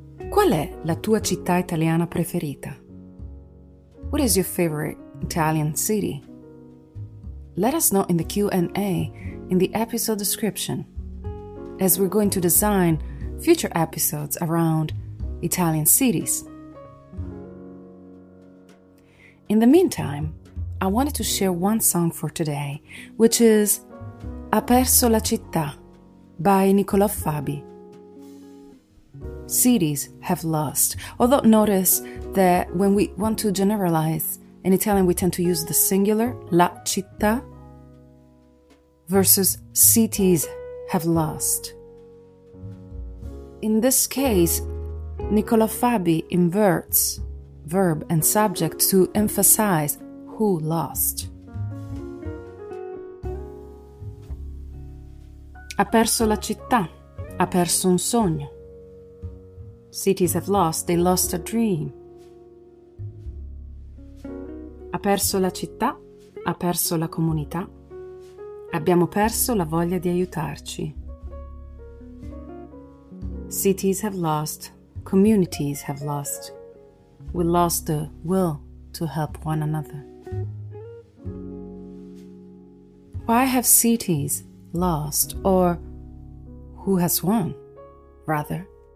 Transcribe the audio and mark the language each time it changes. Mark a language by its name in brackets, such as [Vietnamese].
[Italian] Qual è la tua città italiana preferita? [English] What is your favorite Italian city? Let us know in the Q&A in the episode description, as we're going to design future episodes around Italian cities. In the meantime, I wanted to share one song for today, which is Ha perso la città by Niccolò Fabi. Cities have lost. Although notice that when we want to generalize in Italian, we tend to use the singular la città versus cities have lost. In this case, Niccolò Fabi inverts verb and subject to emphasize who lost. [Italian] Ha perso la città, ha perso un sogno. [English] Cities have lost, they lost a dream. [Italian] Ha perso la città, ha perso la comunità. Abbiamo perso la voglia di aiutarci. [English] Cities have lost, communities have lost. We lost the will to help one another. Why have cities lost, or who has won, rather?